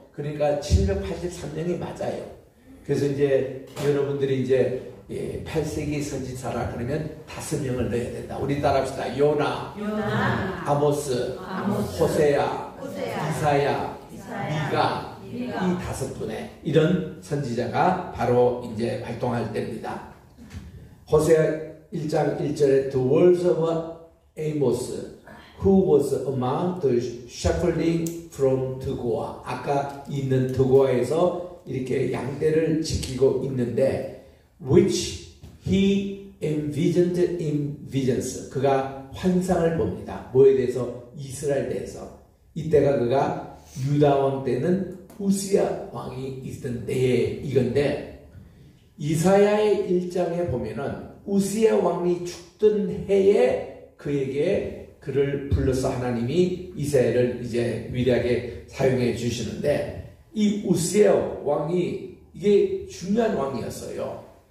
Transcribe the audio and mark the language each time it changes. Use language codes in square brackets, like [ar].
[ko] 그러니까 783년이 맞아요. 그래서 이제 여러분들이 이제 8세기 선지자라 그러면 5명을 넣어야 된다. 우리 따라 합시다. 요나, 요나 아모스, 아모스 호세야, 호세야 이사야, 이사야 미가, 미가 이 다섯 분의 이런 선지자가 바로 이제 활동할 때입니다. 호세아 1장 1절에 [en] The words of Amos who was among the shepherding from Tekoa [ko] 아까 있는 Tekoa에서 이렇게 양떼를 지키고 있는데 [en] which he envisioned in visions [ko] 그가 환상을 봅니다. 뭐에 대해서? 이스라엘에 대해서. 이때가 그가 유다왕 때는 우시아 왕이 있던 때에 이건데 이사야의 1장에 보면은 우시아 왕이 죽던 해에 그에게 그를 불러서 하나님이 이사야를 이제 위대하게 사용해 주시는데 이 우시아 왕이 이게 중요한 왕이었어요.